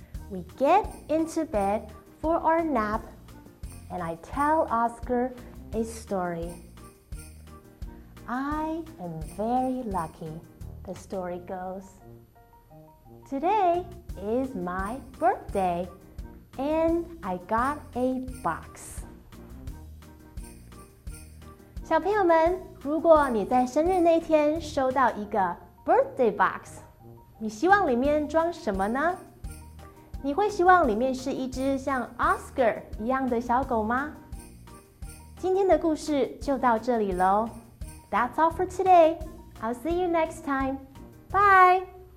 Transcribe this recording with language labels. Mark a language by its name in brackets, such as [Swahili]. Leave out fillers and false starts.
[English] We get into bed for our nap, and I tell Oscar a story. I am very lucky, the story goes. Today is my birthday, and I got a box. [Chinese] 小朋友们，如果你在生日那天收到一个 [English] birthday box, [Chinese] 你希望里面装什么呢？你会希望里面是一只像 Oscar 一样的小狗吗？今天的故事就到这里咯。 [English] That's all for today. I'll see you next time. Bye!